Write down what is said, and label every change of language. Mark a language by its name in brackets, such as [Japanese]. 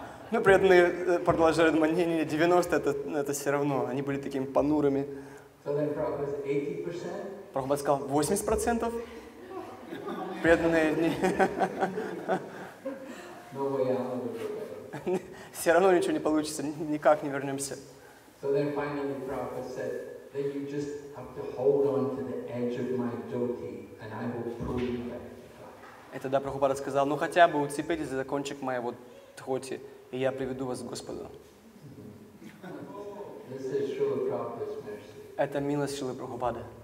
[Russian] Ну, преданные продолжали думать, не-не-не, 90% это все равно, они были такими понурыми. [English] So then Prabhupada said 80%. [Russian] Prabhupada сказал 80%. Преданные дни. [English] No way, I'm gonna go back. [Russian] Все равно ничего не получится, никак не вернемся. [English] So then finally Prabhupada said, then you just have to hold on to the edge of my dhoti, and I will pull you back to God. [Russian] И тогда Прабхупада сказал, ну хотя бы уцепитесь за кончик моего дхоти, и я приведу вас к Господу. [English] This is Srila Prabhupada's mercy. [Russian] Это милость Шрилы Прабхупады.